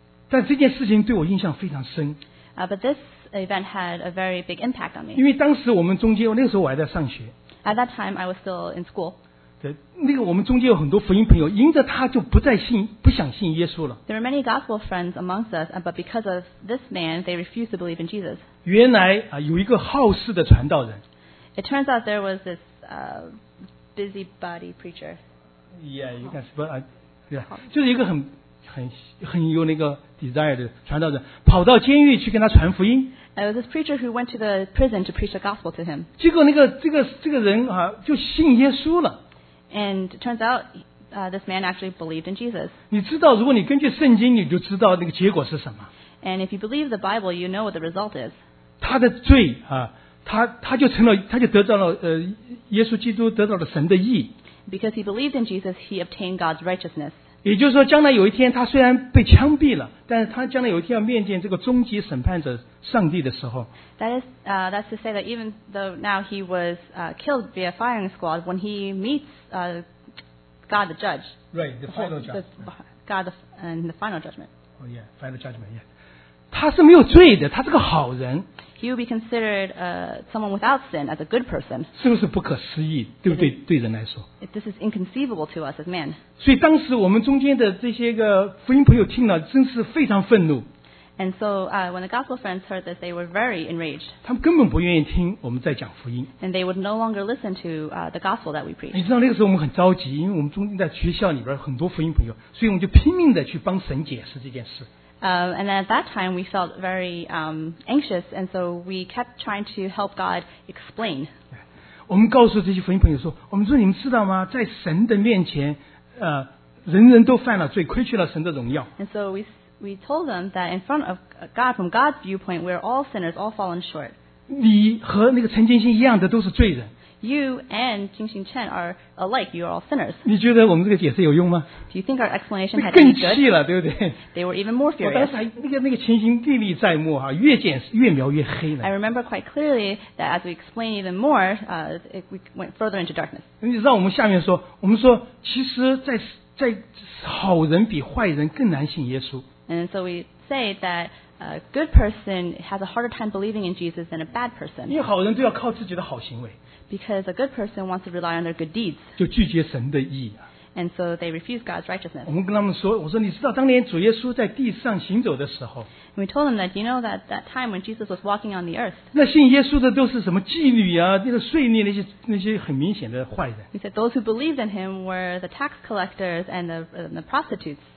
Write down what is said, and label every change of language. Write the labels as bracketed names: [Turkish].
[Chinese] 但这件事情对我印象非常深。 [English] But this event had a very big impact on me. [Chinese] 因为当时我们中间，那个时候我还在上学。 [English] At that time, I was still in school. [Chinese] 对，那个我们中间有很多福音朋友，因着他就不再信，不想信耶稣了。 [English] There are many gospel friends amongst us, but because of this man, they refuse to believe in Jesus. [Chinese] 原来啊，有一个好事的传道人。 [English] It turns out there was this busybody preacher. Yeah, you can suppose, yeah, [Chinese] 就是一个很有那个 desire 的传道人，跑到监狱去跟他传福音。 [English] It was this preacher who went to the prison to preach the gospel to him. [Chinese] 结果那个这个人啊，就信耶稣了。 [English] And it turns out this man actually believed in Jesus. [Chinese] 你知道，如果你根据圣经，你就知道那个结果是什么。 [English] And if you believe the Bible, you know what the result is. [Chinese] 他的罪啊，他就成了，他就得到了耶稣基督得到了神的义。 [English] Because he believed in Jesus, he obtained God's righteousness. [Chinese] 也就是说将来有一天他虽然被枪毙了，但是他将来有一天要面见这个终极审判者上帝的时候， [English] That's to say that even though now he was killed via firing squad, when he meets God the judge, right, the final judge, God and the final judgment. Oh yeah, final judgment, yeah. [Chinese] 他是没有罪的，他是个好人。 [English] He will be considered someone without sin as a good person. [Chinese] 是不是不可思议？对不对？对人来说 [English] ，This is inconceivable to us as men. [Chinese] 所以当时我们中间的这些个福音朋友听了，真是非常愤怒。 [English] And so, when the gospel friends heard this, they were very enraged. [Chinese] 他们根本不愿意听我们在讲福音。 [English] And they would no longer listen to the gospel that we preached. [Chinese] 你知道那个时候我们很着急，因为我们中间在学校里边很多福音朋友，所以我们就拼命的去帮神解释这件事。 [English] And at that time, we felt very anxious, and so we kept trying to help God explain. [Chinese] 我们告诉这些福音朋友说，我们说你们知道吗？在神的面前，人人都犯了罪，亏缺了神的荣耀。 [English] And so we told them that in front of God, from God's viewpoint, we're all sinners, all fallen short. [Chinese] 你和那个陈金星一样的都是罪人。 [English] You and Jing Xing Chen are alike. You are all sinners. [Chinese] 你觉得我们这个解释有用吗？ [English] Do you think our explanation had any good? [Chinese] 更气了，对不对？ [English] They were even more furious. [Chinese] 我当时还那个情形历历在目哈，越解释越描越黑了。 [English] I remember quite clearly that as we explained even more, we went further into darkness. [Chinese] 你让我们下面说，我们说其实在好人比坏人更难信耶稣。 [English] And so we say that a good person has a harder time believing in Jesus than a bad person. [Chinese] 因为好人都要靠自己的好行为。 [English] Because a good person wants to rely on their good deeds. [Chinese] 就拒绝神的义啊。 [English] And so they refuse God's righteousness. [Chinese] 我们跟他们说，我说你知道当年主耶稣在地上行走的时候。 [English] And we told them that you know that that time when Jesus was walking on the earth. [Chinese] 那信耶稣的都是什么妓女啊，那个税吏那些很明显的坏人。 [English] He said those who believed in him were the tax collectors and the prostitutes.